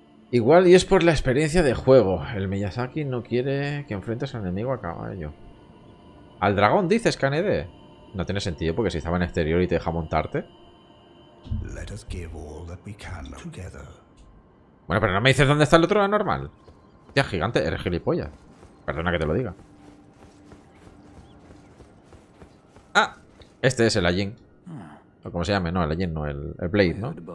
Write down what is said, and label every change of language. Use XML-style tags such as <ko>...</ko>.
<es>Igual y es por la experiencia de juego. El Miyazaki no quiere que enfrentes al enemigo a caballo. ¿Al dragón, dices, KND? No tiene sentido porque si estaba en exterior y te deja montarte.</es> <en>Let us give all that we can together.</en> <es>Bueno, pero no me dices dónde está el otro anormal. Tía, gigante, eres gilipollas. Perdona que te lo diga. Ah, este es el Ajin. O como se llame, no, el Ajin, no, el Blade, ¿no?</es>